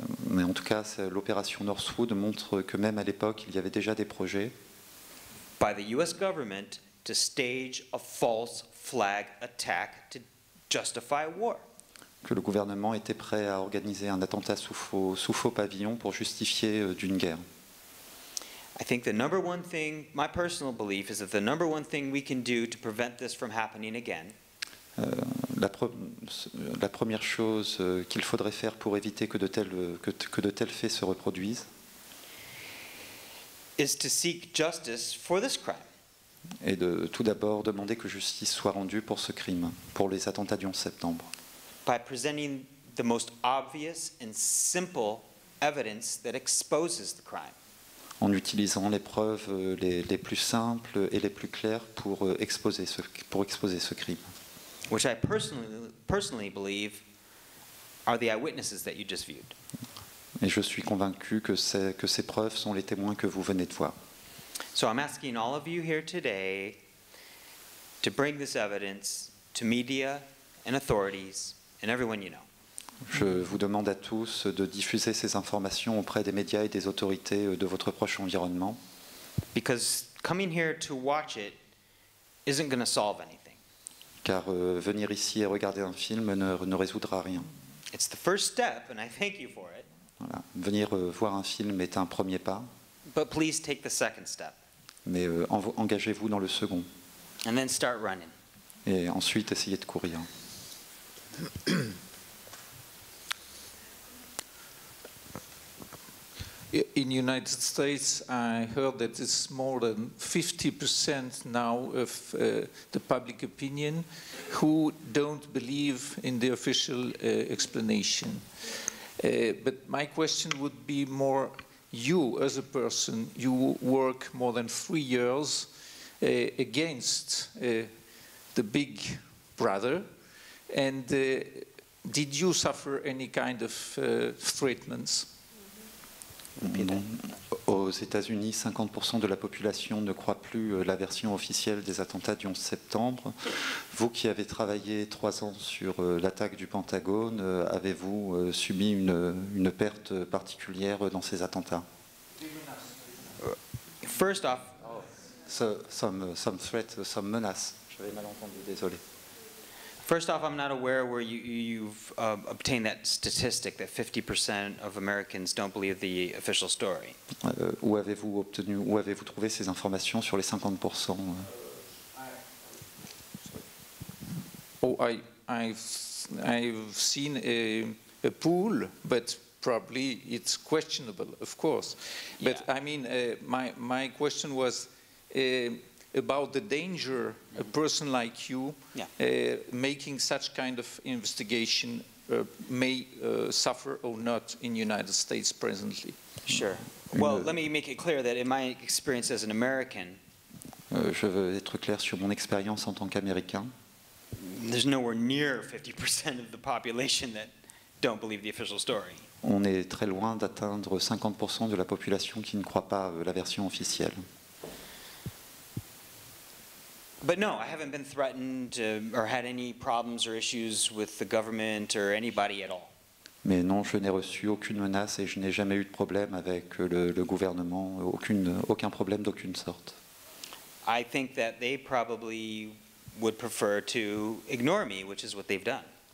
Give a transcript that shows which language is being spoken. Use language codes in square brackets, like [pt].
[fr] Mais en tout cas, l'opération Northwood montre que même à l'époque, il y avait déjà des projets. [en] By the U.S. government to stage a false flag attack to justify war. [fr] Que le gouvernement était prêt à organiser un attentat sous faux pavillon pour justifier d'une guerre. [en] I think the number one thing, my personal belief, is that the number one thing we can do to prevent this from happening again. [fr] La première chose qu'il faudrait faire pour éviter que de tels faits se reproduisent. [en] Is to seek justice for this crime. [fr] Et de tout d'abord demander que justice soit rendue pour ce crime, pour les attentats du 11 septembre. [en] By presenting the most obvious and simple evidence that exposes the crime. [fr] En utilisant les preuves les plus simples et les plus claires pour exposer ce crime. [en] Which I personally believe are the eyewitnesses that you just viewed. [fr] Et je suis convaincu que ces preuves sont les témoins que vous venez de voir. [en] So I'm asking all of you here today to bring this evidence to media and authorities and everyone you know. [fr] Je vous demande à tous de diffuser ces informations auprès des médias et des autorités de votre proche environnement. [en] Because coming here to watch it isn't going to solve anything. [fr] Car venir ici et regarder un film ne résoudra rien. [en] It's the first step, and I thank you for it. [fr] Voilà. Venir voir un film est un premier pas. [en] But please take the second step. [fr] Mais engagez-vous dans le second. [en] And then start running. [fr] Et ensuite, essayez de courir. [en] In the United States, I heard that it's more than 50% now of the public opinion who don't believe in the official explanation. But my question would be more, you as a person, you work more than 3 years against the big brother, and did you suffer any kind of threatenings? [fr] Non. Aux États-Unis, 50% de la population ne croit plus la version officielle des attentats du 11 septembre. Vous qui avez travaillé 3 ans sur l'attaque du Pentagone, avez-vous subi une perte particulière dans ces attentats? [en] First off, some threat, some menace. [fr] J'avais mal entendu, désolé. [en] First off, I'm not aware where you've obtained that statistic that 50% of Americans don't believe the official story. [fr] Où avez-vous obtenu, où avez-vous trouvé ces informations sur les 50%? [en] I've seen a poll, but probably it's questionable, of course. Yeah. But I mean, my question was about the danger a person like you making such kind of investigation may suffer or not in the United States presently. Sure. Well, let me make it clear that in my experience as an American, [fr] je veux être clair sur mon expérience en tant qu'Américain. [en] There's nowhere near 50% of the population that don't believe the official story. [fr] On est très loin d'atteindre 50% de la population qui ne croit pas la version officielle. [en] But no, I haven't been threatened or had any problems or issues with the government or anybody at all. [fr] Mais non, je n'ai reçu aucune menace et je n'ai jamais eu de problème avec le gouvernement, aucun problème d'aucune sorte. [en] I think that they probably would prefer to ignore me, which is what they've done.